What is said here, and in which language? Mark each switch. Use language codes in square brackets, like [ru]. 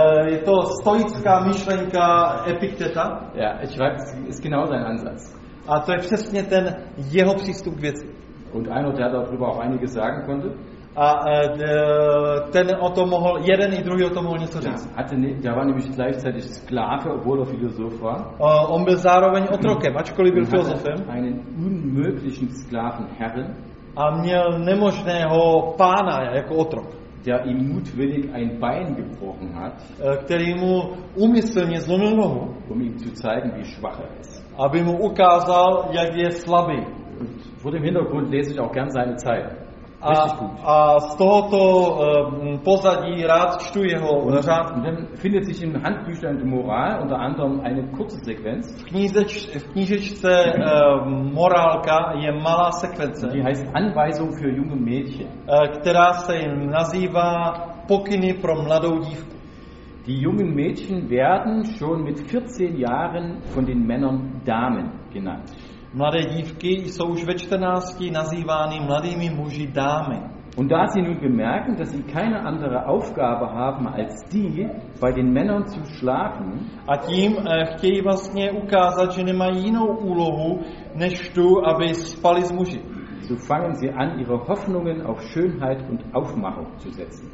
[cs] Je to stoická myšlenka Epikteta. [de] Ja, ich weiß, ist genau sein Ansatz. [cs] A to je přesně ten jeho přístup k věci. [de] Und einer, der darüber auch einiges sagen konnte. [cs] A ten o tom mohl, jeden i druhý o tom mohl něco říct. [de] Ja, der war nämlich gleichzeitig Sklave, obwohl er Philosoph war. [cs] On byl zároveň otrokem, ačkoliv byl filozofem. [de] Einen unmöglichen Sklavenherren. [cs] A měl nemožného pána jako otrok, [de] der ihm mutwillig ein Bein gebrochen hat, [cs] který mu umyslně zlomil nohu, [de] um ihm zu zeigen, wie schwach er ist. [cs] Aby mu ukázal, jak je slabý. [de] Vor dem Hintergrund lese ich auch gern seine Zeilen. [cs] A z tohoto pozadí rád čtu jeho řád. [de] Und dann findet sich in Handbüchern der Moral unter anderem eine kurze Sequenz. [cs] V knížečce Morálka je malá sekvence. [de] Die heißt Anweisung für junge Mädchen. [cs] Která se jim nazývá Pokyny pro mladou dívku. [de] Die jungen Mädchen werden schon mit 14 Jahren von den Männern Damen genannt. [cs] Mladé dívky jsou už ve 14 nazývány mladými muži dámy. [de] Und da sie nun bemerken, dass sie keine andere Aufgabe haben als die, bei den Männern zu schlafen. [cs] A tím chtějí vlastně ukázat, že nemají jinou úlohu, než tu, aby spali s muži. [de] So fangen sie an, ihre Hoffnungen auf Schönheit und Aufmachung zu setzen.